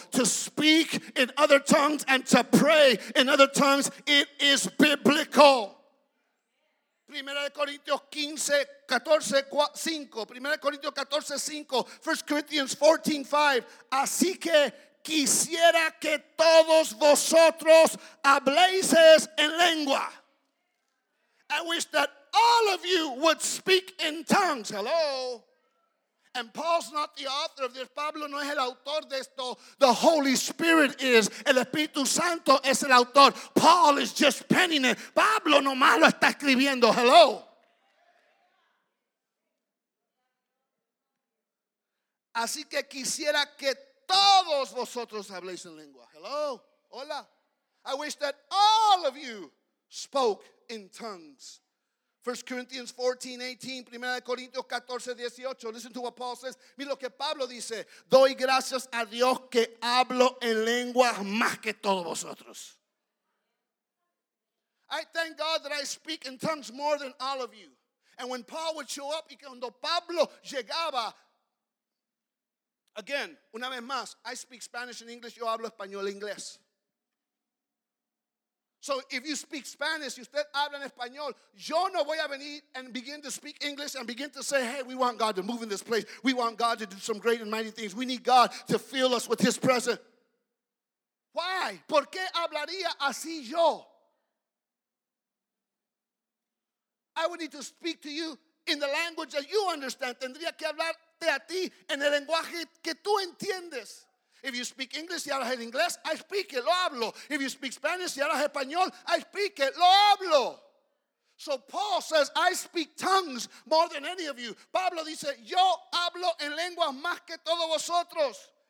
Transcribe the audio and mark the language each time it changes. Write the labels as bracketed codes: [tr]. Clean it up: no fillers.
[en] To speak in other tongues and to pray in other tongues, it is biblical. [es] Primera de Corintios 14:5. Primera de Corintios 14:5. [en] 1 Corinthians 14:5. [es] Así que quisiera que todos vosotros habléis en lengua. [en] I wish that all of you would speak in tongues. Hello. And Paul's not the author of this. [es] Pablo no es el autor de esto. [en] The Holy Spirit is. [es] El Espíritu Santo es el autor. [en] Paul is just penning it. [es] Pablo nomás lo está escribiendo. [en] Hello. [es] Así que quisiera que todos vosotros habléis en lengua. [en] Hello. [es] Hola. [en] I wish that all of you spoke in tongues. 1 Corinthians 14:18, [es] 1 Corintios 14:18. [en] Listen to what Paul says. [es] Mira lo que Pablo dice. Doy gracias a Dios que hablo en lengua más que todos vosotros. [en] I thank God that I speak in tongues more than all of you. And when Paul would show up, [es] y cuando Pablo llegaba, [en] again, [es] una vez más, [en] I speak Spanish and English, [es] yo hablo español e inglés. [en] So if you speak Spanish, [es] si usted habla en español, yo no voy a venir [en] and begin to speak English and begin to say, hey, we want God to move in this place. We want God to do some great and mighty things. We need God to fill us with his presence. Why? [es] ¿Por qué hablaría así yo? [en] I would need to speak to you in the language that you understand. [es] Tendría que hablarte a ti en el lenguaje que tú entiendes. [en] If you speak English, [es] si hablas en inglés, [en] I speak it, [es] lo hablo. [en] If you speak Spanish, [es] si hablas español, [en] I speak it, lo hablo. So Paul says, I speak tongues more than any of you. [es] Pablo dice, yo hablo en lenguas más que todos vosotros.